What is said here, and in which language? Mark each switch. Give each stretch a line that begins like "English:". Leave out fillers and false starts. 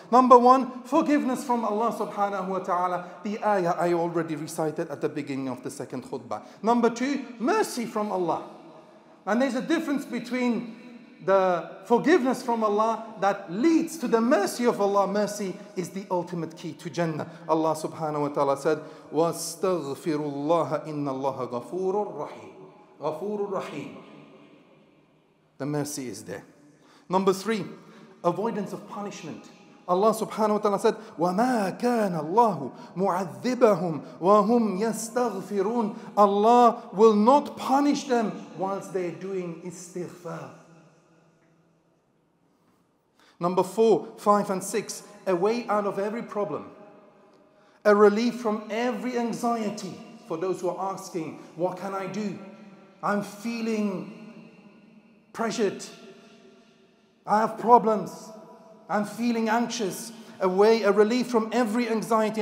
English: Number one, forgiveness from Allah subhanahu wa ta'ala. The ayah I already recited at the beginning of the second khutbah. Number two, mercy from Allah. And there's a difference between the forgiveness from Allah that leads to the mercy of Allah. Mercy is the ultimate key to Jannah.
Arabic: Allah subhanahu wa ta'ala said, وَاسْتَغْفِرُ اللَّهَ إِنَّ اللَّهَ غَفُورٌ رَحِيمٌ غَفُورٌ رَحِيمٌ.
English: The mercy is there. Number three, avoidance of punishment.
Arabic: Allah subhanahu wa ta'ala said, وَمَا كَانَ اللَّهُ مُعَذِّبَهُمْ وَهُمْ يَسْتَغْفِرُونَ.
English: Allah will not punish them whilst they are doing istighfar. Number four, five and six, a way out of every problem, a relief from every anxiety. For those who are asking, what can I do? I'm feeling pressured, I have problems, I'm feeling anxious, a relief from every anxiety.